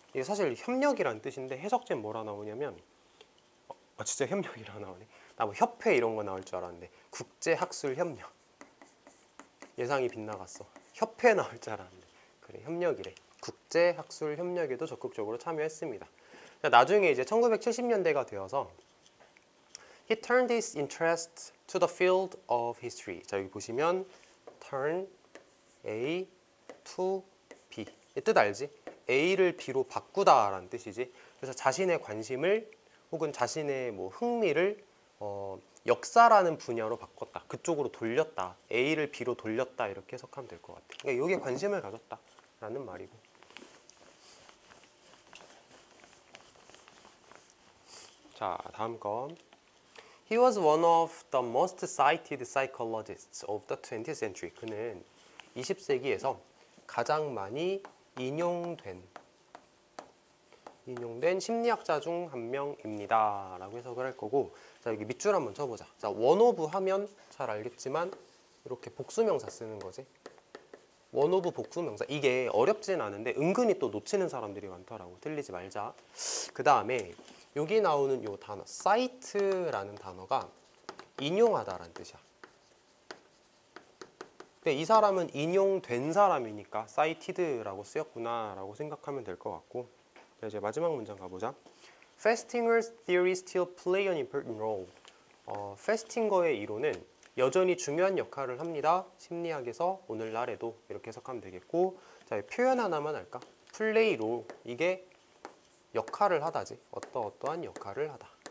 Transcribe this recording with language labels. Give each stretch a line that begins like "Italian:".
Korean: 이게 사실 협력이라는 뜻인데 해석제 뭐라 나오냐면 진짜 협력이라 나오네. 나 뭐 협회 이런 거 나올 줄 알았는데 국제 학술 협력. 예상이 빗나갔어. 협회 나올 줄 알았는데 그래 협력이래. 국제 학술 협력에도 적극적으로 참여했습니다. 나중에 이제 1970년대가 되어서
English: he turned his interest to the field of history.
Korean: 자 여기 보시면
English: turn A to B
Korean: 이 뜻 알지? A를 B로 바꾸다라는 뜻이지. 그래서 자신의 관심을 혹은 자신의 뭐 흥미를 역사라는 분야로 바꿨다. 그쪽으로 돌렸다. A를 B로 돌렸다. 이렇게 해석하면 될 것 같아. 그러니까 이게 관심을 가졌다. 라는 말이고. 자, 다음 건.
English: He was one of the most cited psychologists of the 20th century.
Korean: 그는 20세기에서 가장 많이 인용된 심리학자 중 한 명입니다. 라고 해석을 할 거고. 자, 여기 밑줄 한번 쳐보자. 자, one of 하면 잘 알겠지만 이렇게 복수명사 쓰는 거지. one of 복수명사. 이게 어렵진 않은데 은근히 또 놓치는 사람들이 많더라고. 틀리지 말자. 그 다음에 여기 나오는 이 단어 cite라는 단어가 인용하다라는 뜻이야. 근데 이 사람은 인용된 사람이니까 cited라고 쓰였구나 라고 생각하면 될 것 같고. 이제 마지막 문장 가보자.
English: Festinger's theory still play an important role.
Korean: Festinger의 이론은 여전히 중요한 역할을 합니다. 심리학에서 오늘날에도 이렇게 해석하면 되겠고. 자, 표현 하나만 할까? play role. 이게 역할을 하다지. 어떠어떠한 역할을 하다.